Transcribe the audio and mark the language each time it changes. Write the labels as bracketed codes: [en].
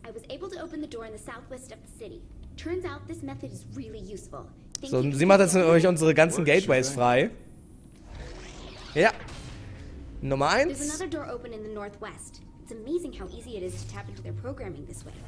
[en] I was able to open the door in the southwest of the city. Turns out this method is really useful. [de] So, sie macht jetzt nämlich unsere ganzen Gateways frei. Ja. Nummer 1. [en] There's another door open in the northwest. It's amazing how easy it is to tap into their programming this way.